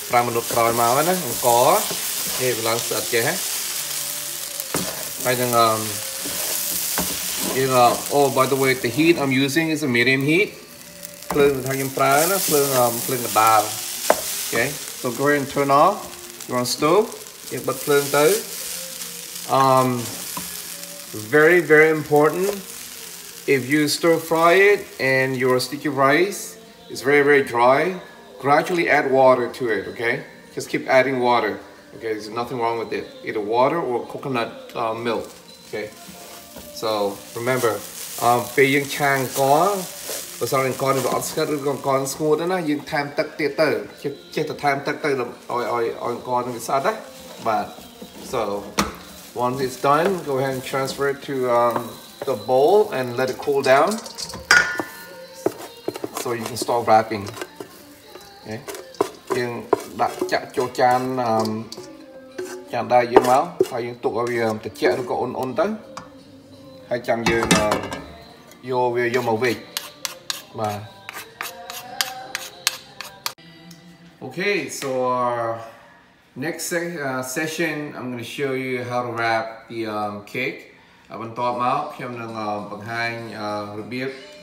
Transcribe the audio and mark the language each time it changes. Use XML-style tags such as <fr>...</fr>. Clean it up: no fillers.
<en>5 minutes</en> <km>ក្រោយមកណាអង្ករគេវាឡើងស្អិតគេហ៎ហើយនឹង</km> <en>you know, oh by the way, the heat I'm using is a medium heat.</en> <km>ភ្លើងដែលខ្ញុំប្រើណាភ្លើងកណ្ដាល okay.</km> <en>So go ahead and turn off your stove.</en> <km>យើងបិទភ្លើងទៅ</km> <en>very very importantIf you stir fry it and your sticky rice is very, very dry, gradually add water to it, okay? Just keep adding water, okay? There's nothing wrong with it. Either water or coconut milk, okay? So remember,</en> <km>ពេលយើងឆាអង្ករ បើសិនអង្ករវាអត់ស្កត់ឬអង្ករស្ងួតណាយើងថែមទឹកទៀតទៅចេះតែថែមទឹកទៅឲ្យអង្ករនឹងវាស្អិតណាបាទ</km> <en>So once it's done, go ahead and transfer it to the bowl and let it cool down so you can start wrapping okay</en> <km>យើងដាក់ចាក់ចូលចានចានដែរយើងមកហើយយើងទុកឲ្យវាត្រជាក់ឬក៏អ៊ុនៗទៅហើយចាំយើងយកវាយកមកវេច</km> <en>Okay, so our next session, I'm going to show you how to wrap the cake. I want to talk about how to wrap the cake.</en>